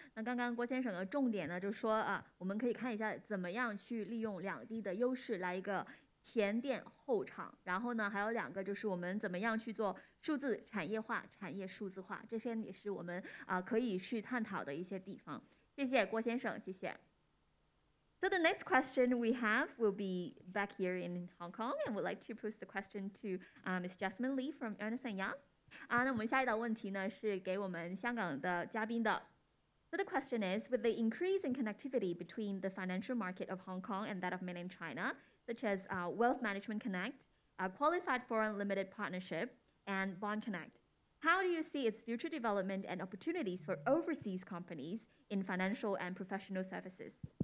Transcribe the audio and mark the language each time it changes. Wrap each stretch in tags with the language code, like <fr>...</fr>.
<zh>那刚刚郭先生的重点呢就是说啊，我们可以看一下怎么样去利用两地的优势来一个前店后厂，然后呢还有两个就是我们怎么样去做数字产业化产业数字化，这些也是我们啊可以去探讨的一些地方。谢谢郭先生，谢谢。</zh> <en>So the next question we have will be back here in Hong Kong, and would like to pose the question to Ms. Jasmine Lee from Ernst & Young.</en> <zh>那我们下一道问题呢是给我们香港的嘉宾的。</zh> <en>So the question is, with the increase in connectivity between the financial market of Hong Kong and that of mainland China, such as Wealth Management Connect, Qualified Foreign Limited Partnership, and Bond Connect, how do you see its future development and opportunities for overseas companies in financial and professional services?</en>